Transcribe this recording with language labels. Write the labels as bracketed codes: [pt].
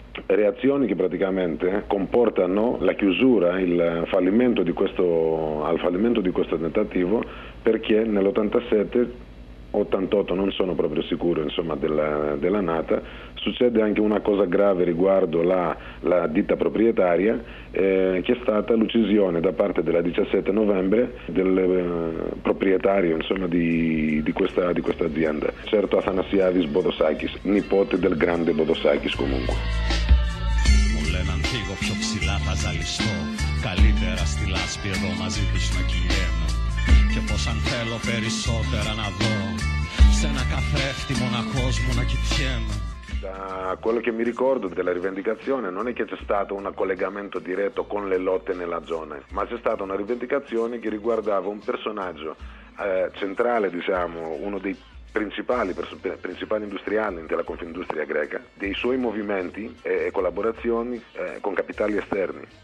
[it] Reazioni che praticamente comportano la chiusura, il fallimento di questo tentativo, perché nell'87, 88, non sono proprio sicuro, insomma, della nata, succede anche una cosa grave riguardo la ditta proprietaria, che è stata l'uccisione da parte della 17 novembre del proprietario, insomma, di questa azienda, certo Athanasiadis Bodosakis, nipote del grande Bodosakis comunque. [el] Φύγω πιο ψηλά θα ζαλιστώ. Καλύτερα στη λάσπη εδώ μαζί του να κυλιέμαι. Και πως αν θέλω περισσότερα να δω. Σ' ένα καθρέφτη μοναχός μου να κοιτιέμαι. [it] Da quello che mi ricordo della rivendicazione, non è che c'è stato un collegamento diretto con le lotte nella zona, ma c'è stata una rivendicazione che riguardava un personaggio centrale, diciamo, uno dei principali industriali della Confindustria greca, dei suoi movimenti e collaborazioni con capitali esterni.